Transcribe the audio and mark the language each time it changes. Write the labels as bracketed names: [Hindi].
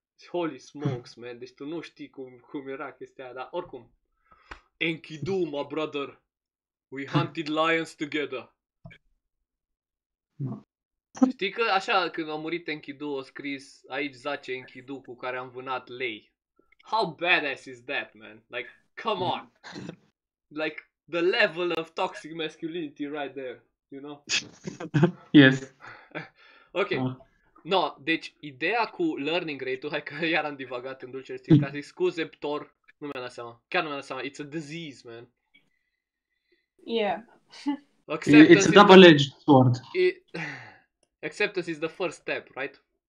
[English] Holy smokes, man, [Romanian] deci tu nu știi cum era chestia aia, dar oricum. [English] Enkidu, my brother, we hunted lions together. [Romanian] Știi că așa când a murit Enkidu a scris aici zace Enkidu cu care am vânat lei. [English] How badass is that, man? Like, come on. Like, the level of toxic masculinity right there, you know? Yes. Ok. [Romanian] No, deci ideea cu learning rate-ul, hai că iar am divagat în dulce stil, ca zic, scuze, Ptor, nu mi-am dat seama. Chiar nu mi-am dat seama. [English] It's a disease, man. Yeah. It's a double-edged sword. Acceptance is the first step, right?